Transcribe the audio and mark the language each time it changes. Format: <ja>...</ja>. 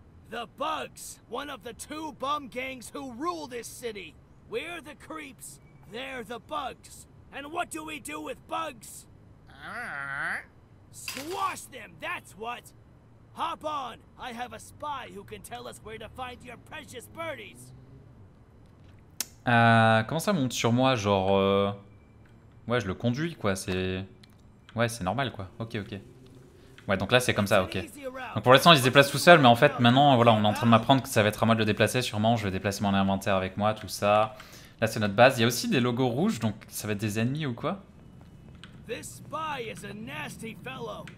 <en>The bugs, one of the two bum gangs who rule this city. We're the creeps, they're the bugs. And what do we do with bugs? Squash them, that's what! Hop on! I have a spy who can tell us where to find your precious birdies!</en> <fr>Comment ça monte sur moi? Genre... Ouais, je le conduis, quoi, c'est... Ouais, c'est normal, quoi. Ok, ok. Ouais, donc là, c'est comme ça, ok. Donc pour l'instant, il se déplace tout seul, mais en fait, maintenant, voilà, on est en train de m'apprendre que ça va être à moi de le déplacer, sûrement. Je vais déplacer mon inventaire avec moi, tout ça. Là, c'est notre base. Il y a aussi des logos rouges, donc ça va être des ennemis ou quoi?</fr> <en>This spy is a nasty fellow.</en>